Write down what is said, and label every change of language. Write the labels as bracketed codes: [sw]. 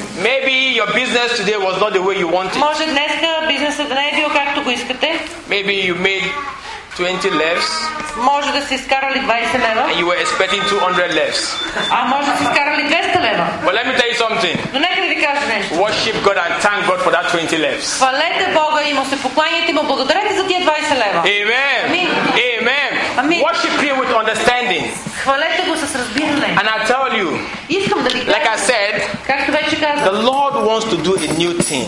[en] Maybe your business today was not the way you wanted. [bg] Може днес бизнесът да не е бил както го искате. [en] Maybe you made 20 lefts. [bg] Може да си изкарали 20 лева. [en] And you were expecting 200 lefts. [bg] А може да си изкарали 200 лева. [en] But let me tell you something. [bg] Но нека да ви кажа нещо. [en] Worship God and thank God for that 20 lefts. [bg] Хвалете Бога и му се покланяйте, му благодарете за тия 20 лева. [en] Amen. [bg] Амин. [en] Amen. Worship Him with understanding. And I tell you, like I said, the Lord wants to do a new thing.